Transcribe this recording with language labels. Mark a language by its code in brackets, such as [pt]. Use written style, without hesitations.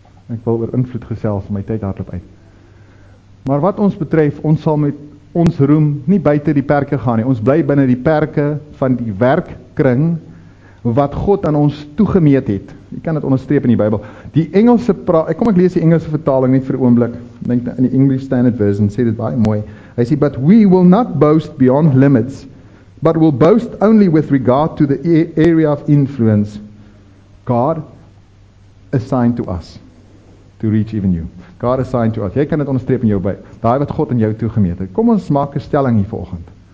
[af] Ek wil oor invloed gesels, my tyd hardloop uit. Maar wat ons betref, ons sal met ons roem nie buiten die perke gaan nie. Ons bly binne die perke van die werkkring wat God aan ons toegemeet het. Jy kan dit onderstreep in die Bybel. Die Engelse ek lees die Engelse vertaling net vir 'n oomblik. Dink in die English Standard Version sê dit baie mooi. Hy sê, [en] but we will not boast beyond limits, but will boast only with regard to the area of influence God assigned to us to reach even you. God assigned to us. [af] Jy kan dit onderstreep in jou by. Daai wat God in jou toegemeet het. Kom ons maak 'n stelling hier vanoggend.